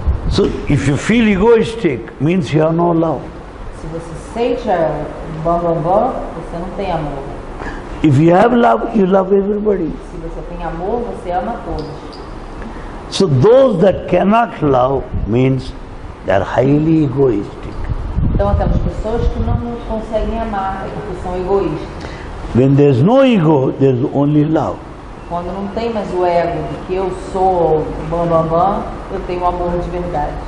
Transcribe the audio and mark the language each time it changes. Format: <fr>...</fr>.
<en>So if you feel egoistic, means you have no love.</en> <pt>Se você sente bom, bom, bom, você não tem amor.</pt> <en>If you have love, you love everybody.</en> <pt>Se você tem amor, você ama todos.</pt> <en>So those that cannot love means they are highly egoistic.</en> <pt>Então aquelas pessoas que não conseguem amar é porque são egoístas.</pt> <en>When there's no ego, there's only love.</en> <pt>Quando não tem mais o ego de que eu sou bam bam bam, eu tenho amor de verdade.</pt>